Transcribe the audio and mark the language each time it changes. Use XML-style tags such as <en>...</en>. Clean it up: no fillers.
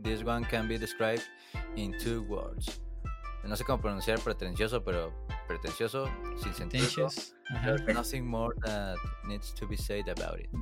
<en>This one can be described in two words.</en> <es>No sé cómo pronunciar pretencioso, pero pretencioso, sin sentido.</es> <en>Pretentious. There's nothing more that needs to be said about it.</en>